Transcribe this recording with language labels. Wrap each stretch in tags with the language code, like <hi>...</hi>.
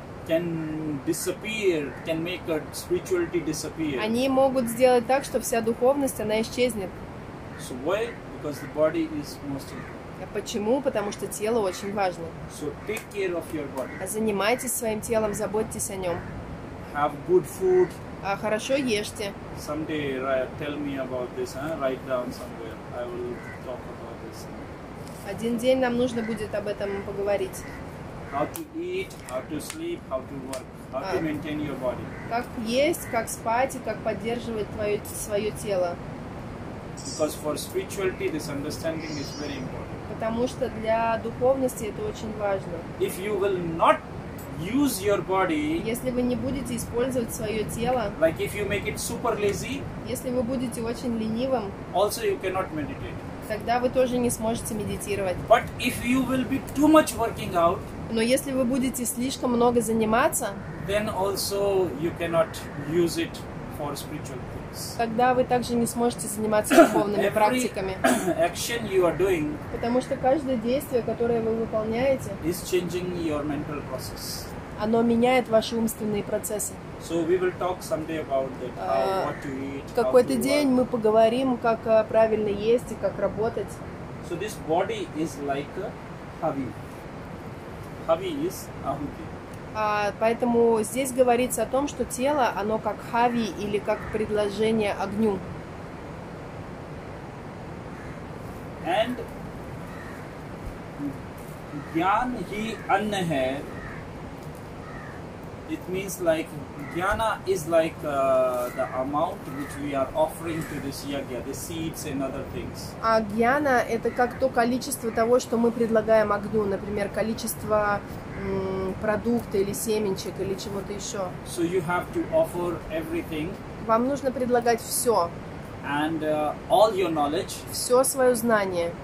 <en>Can disappear, can make a spirituality disappear.</en> <ru>Они могут сделать так, что вся духовность она исчезнет.</ru> <en>So why? Because the body is most important.</en> <ru>А почему? Потому что тело очень важно.</ru> <en>So take care of your body.</en> <ru>А занимайтесь своим телом, заботьтесь о нем.</ru> <en>Have good food.</en> <ru>А хорошо ешьте.</ru> <en>Someday tell me about this, write down somewhere. I will talk about this.</en> <ru>Один день нам нужно будет об этом поговорить.</ru> <en>How to eat, how to sleep, how to work, how to maintain your body.</en> <ru>Как есть, как спать и как поддерживать свое тело.</ru> <en>Because for spirituality this understanding is very important.</en> <ru>Потому что для духовности это очень важно.</ru> <en>If you will not use your body.</en> <ru>Если вы не будете использовать свое тело.</ru> <en>Like if you make it super lazy.</en> <ru>Если вы будете очень ленивым.</ru> <en>Also you cannot meditate.</en> <ru>Тогда вы тоже не сможете медитировать.</ru> <en>But if you will be too much working out.</en> <ru>Но если вы будете слишком много заниматься.</ru> <en>Then also you cannot use it for spiritual things.</en> <ru>Тогда вы также не сможете заниматься духовными</ru> <en>Every</en> <ru>практиками.</ru> <en>Action you are doing.</en> <ru>Потому что каждое действие, которое вы выполняете.</ru> <en>Is changing your mental process.</en> <ru>Оно меняет ваши умственные процессы.</ru> <en>So we will talk someday about that, how, what to eat.</en> <ru>В какой-то день мы поговорим, как правильно есть и как работать.</ru> <en>So this body is like a havi. Havi is ahuti.</en> <ru>Поэтому здесь говорится о том, что тело, оно как хави или как предложение огню.</ru> <hi>And gyan hi anna hai.</hi> <en>It means like jnana is like the amount which we are offering to this yagya, the seeds and other things.</en> <ru>А jnana это как то количество того, что мы предлагаем огню, например, количество продукты или семечек или чего-то еще.</ru> <en>So you have to offer everything.</en> <ru>Вам нужно предлагать все.</ru> <en>And all your knowledge.</en> <ru>Все свое знание.</ru>